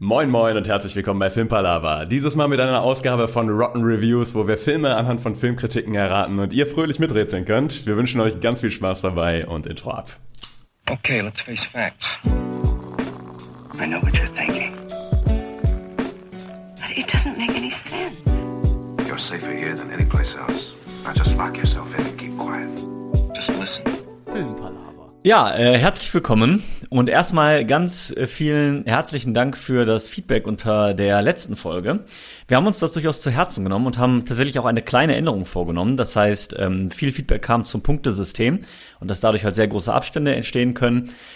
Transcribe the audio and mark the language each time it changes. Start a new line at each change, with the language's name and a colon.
German: Moin moin und herzlich willkommen bei Filmpalava. Dieses Mal mit einer Ausgabe von Rotten Reviews, wo wir Filme anhand von Filmkritiken erraten und ihr fröhlich miträtseln könnt. Wir wünschen euch ganz viel Spaß dabei und Intro ab.
English: Okay, let's face facts. I know what you're thinking. But it doesn't make any sense. You're safer here than any place else. Now just lock yourself in and keep quiet. Just listen.
German: Filmpalava. Ja, herzlich willkommen und erstmal ganz vielen herzlichen Dank für das Feedback unter der letzten Folge. Wir haben uns das durchaus zu Herzen genommen und haben tatsächlich auch eine kleine Änderung vorgenommen. Das heißt, viel Feedback kam zum Punktesystem und dass dadurch halt sehr große Abstände entstehen können.